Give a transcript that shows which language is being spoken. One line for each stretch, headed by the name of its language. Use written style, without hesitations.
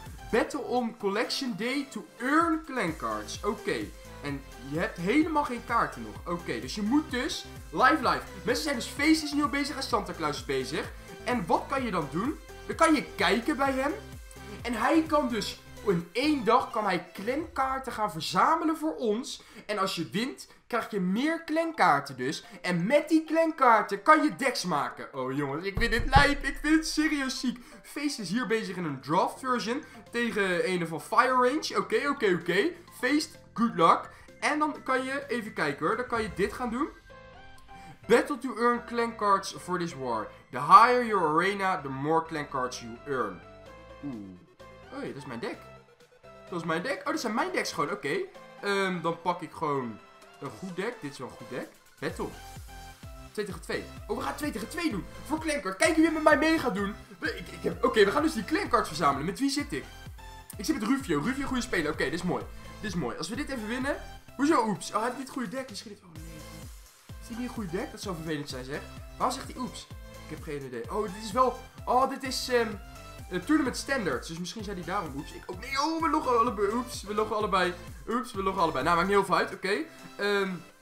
English: Battle on Collection Day to earn clan cards.
Dutch: Oké. Okay. En je hebt helemaal geen kaarten nog. Oké, okay. Dus je moet dus... Live. Mensen zijn dus feest is nu al bezig en Santa Claus is bezig. En wat kan je dan doen? Dan kan je kijken bij hem. En hij kan dus in 1 dag kan hij clankaarten gaan verzamelen voor ons. En als je wint, krijg je meer clankaarten dus. En met die clankaarten kan je decks maken. Oh jongens, ik vind het lijp. Ik vind het serieus ziek. Feest is hier bezig in een draft version. Tegen een van Fire Range. Oké. Feest, good luck. En dan kan je, even kijken hoor. Dan kan je dit gaan doen.
English: Battle to earn clankaards for this war. The higher your arena, the more clan cards you earn.
Dutch: Oeh. Oh, hey, dat is mijn deck. Dat is mijn deck. Oh, dat zijn mijn decks gewoon. Oké. Dan pak ik gewoon een goed deck. Dit is wel een goed deck. Battle. 2 tegen 2. Oh, we gaan 2 tegen 2 doen. Voor clan cards. Kijk wie met mij mee gaat doen. Oké, we gaan dus die clan cards verzamelen. Met wie zit ik? Ik zit met Rufio. Rufio, goede speler. Oké, dit is mooi. Dit is mooi. Als we dit even winnen. Hoezo? Oeps. Oh, hij heeft niet het goede deck. Misschien dit. Oh, nee. Is dit niet een goede deck? Dat zou vervelend zijn, zeg. Waarom zegt hij oeps? Ik heb geen idee. Oh, dit is wel... Oh, dit is Tournament Standards. Dus misschien zei hij daarom. Oeps. Ik ook... Nee, oh, we loggen allebei. Oeps, we loggen allebei. Oeps, we loggen allebei. Nou, maakt niet heel veel uit.